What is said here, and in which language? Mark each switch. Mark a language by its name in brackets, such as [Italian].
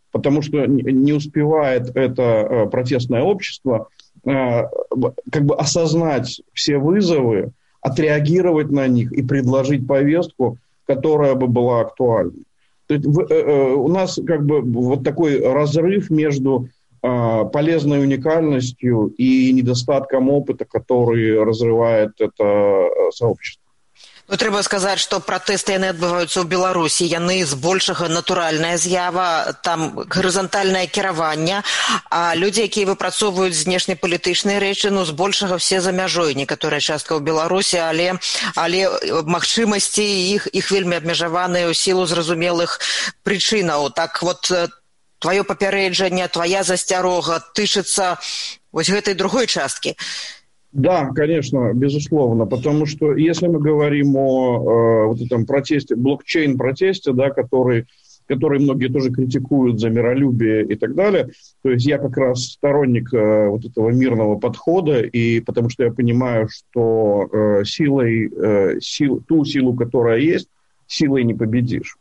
[Russian] Потому что не успевает это протестное общество как бы осознать все вызовы, отреагировать на них и предложить повестку, которая бы была актуальна. То есть у нас как бы вот такой разрыв между полезной уникальностью и недостатком опыта, который разрывает это сообщество. [Belarusian] Ну, трэба сказаць, што пратэсты яны адбываюцца ў Беларусі, яны збольшага натуральная з'ява, там гарызантальнае кіраванне, а людзі, якія выпрацоўваюць знешнепалітычныя рэчы, ну, збольшага ўсе за мяжой, некаторая частка ў Беларусі, але магчымасці іх вельмі абмежаваныя ў сілу зразумелых прычынаў. Так вот, тваё папярэджанне, твая засцярога тычыцца вось гэтай другой часткі. [Russian] Да, конечно, безусловно, потому что если мы говорим о вот этом протесте, блокчейн-протесте, да, который многие тоже критикуют за миролюбие и так далее, то есть я как раз сторонник вот этого мирного подхода, и потому что я понимаю, что силу, которая есть, силой не победишь.